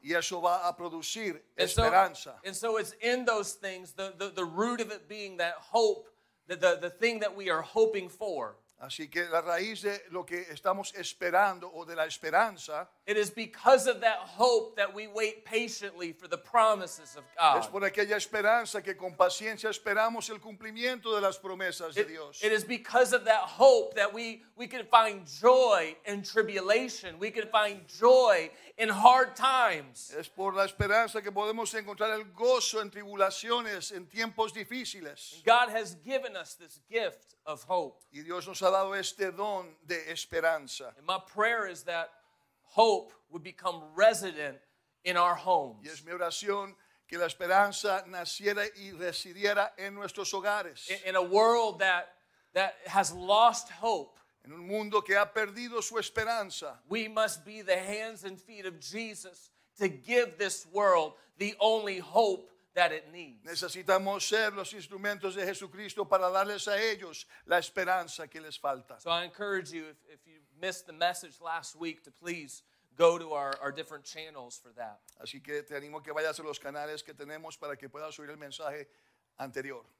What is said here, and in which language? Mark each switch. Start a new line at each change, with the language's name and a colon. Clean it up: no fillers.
Spanish: Y eso va a producir esperanza.
English: And so it's in those things, the root of it being that hope, the thing that we are hoping for.
Spanish: Así que la raíz de lo que estamos esperando o de la esperanza.
English: It is because of that hope that we wait patiently for the promises of God.
Spanish: Es por aquella esperanza que con paciencia esperamos el cumplimiento de las promesas de Dios.
English: It is because of that hope that we can find joy in tribulation. We can find joy in hard times.
Spanish: Es por la esperanza que podemos encontrar el gozo en tribulaciones, en tiempos difíciles.
English: God has given us this gift of hope.
Spanish: Y Dios nos ha dado este don de esperanza.
English: And my prayer is that hope would become resident in our homes.
Spanish: Y es mi oración que la esperanza naciera y residiera en nuestros hogares.
English: In a world that has lost hope.
Spanish: En un mundo que ha perdido su esperanza.
English: We must be the hands and feet of Jesus to give this world the only hope that it needs.
Spanish: Necesitamos ser los instrumentos de Jesucristo para darles a ellos la esperanza que les falta.
English: So I encourage you, if you missed the message last week, to please go to our different channels for that.
Spanish: Así que te animo que vayas a los canales que tenemos para que puedas oír el mensaje anterior.